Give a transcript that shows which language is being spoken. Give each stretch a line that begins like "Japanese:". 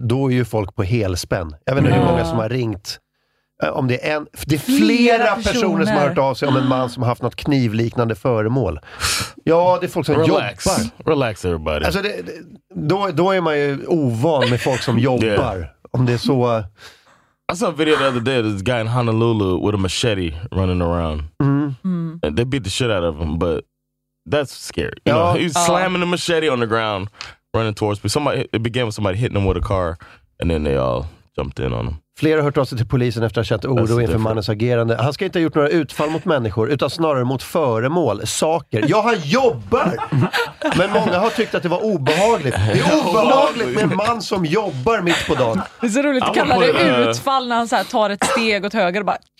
Swedish: Då är ju folk på helspänn. Jag vet inte hur många som har ringt. Om det är en, det är flera personer som har hört av sig om en man som har haft något knivliknande föremål. Ja, det är folk som jobbar.
English: Relax everybody.
Swedish: Alltså då är man ju ovan med folk som jobbar. Om det är så.
English: I saw a video the other day of this guy in Honolulu with a machete running around. They beat the shit out of him, but that's scary. You know, he's slamming the machete on the ground running towards me. It began with somebody hitting him with a car and then they all jumped in on him.
Swedish: Flera har hört av sig till polisen efter att ha känt oro inför mannens agerande. Han ska inte ha gjort några utfall mot människor, utan snarare mot föremål, saker. Ja, han jobbar! Men många har tyckt att det var obehagligt. Det är obehagligt med en man som jobbar mitt på dagen. Det är så roligt att kalla det utfall när han så här tar ett steg åt höger och bara...